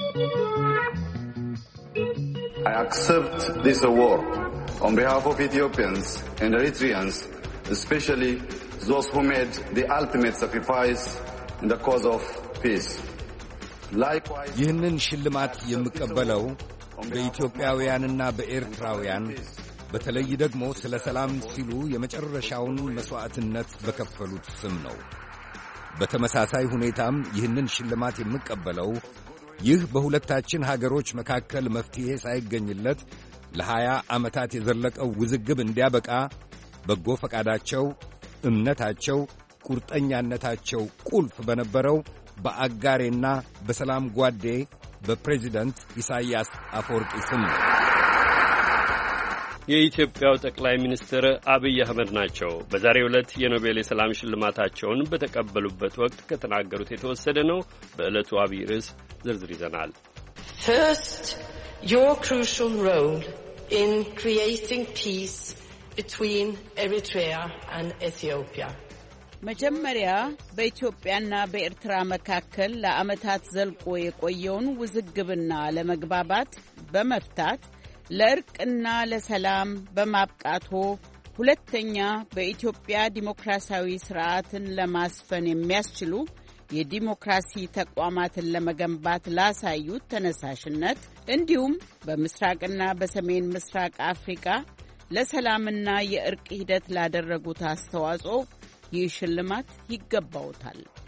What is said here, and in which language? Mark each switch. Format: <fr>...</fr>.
<en>I accept this award on behalf of Ethiopians and Eritreans, especially those who made the ultimate sacrifice in the cause of peace. Likewise,</en> <am>ይህንን ሽልማት የምቀበለው በኢትዮጵያውያንና በኤርትራውያን በተለይ ደግሞ ስለ ሰላም ሲሉ የመጨረሻውን መሥዋዕትነት በከፈሉት ስም ነው። በተመሳሳይ ሁኔታም ይህንን ሽልማት የምቀበለው ይህ በሁለታችን ሀገሮች መካከል መፍትሄ ሳይገኝለት ለሀያ ዓመታት የዘለቀው ውዝግብ እንዲያበቃ በጎ ፈቃዳቸው፣ እምነታቸው፣ ቁርጠኛነታቸው ቁልፍ በነበረው በአጋሬና በሰላም ጓዴ በፕሬዚደንት ኢሳይያስ አፈወርቂ ስም ነው። የኢትዮጵያው ጠቅላይ ሚኒስትር አብይ አህመድ ናቸው። በዛሬው ዕለት የኖቤል የሰላም ሽልማታቸውን በተቀበሉበት ወቅት ከተናገሩት የተወሰደ ነው። በዕለቱ አብይ ርዕስ ዝርዝር ይዘናል።</am> <en>First, your crucial role in creating peace between Eritrea and Ethiopia.</en> <am>መጀመሪያ በኢትዮጵያና በኤርትራ መካከል ለዓመታት ዘልቆ የቆየውን ውዝግብና ለመግባባት በመፍታት ለእርቅና ለሰላም በማብቃቱ፣ ሁለተኛ በኢትዮጵያ ዲሞክራሲያዊ ስርዓትን ለማስፈን የሚያስችሉ የዲሞክራሲ ተቋማትን ለመገንባት ላሳዩት ተነሳሽነት፣ እንዲሁም በምስራቅና በሰሜን ምስራቅ አፍሪካ ለሰላምና የእርቅ ሂደት ላደረጉት አስተዋጽኦ ይህ ሽልማት ይገባውታል።</am>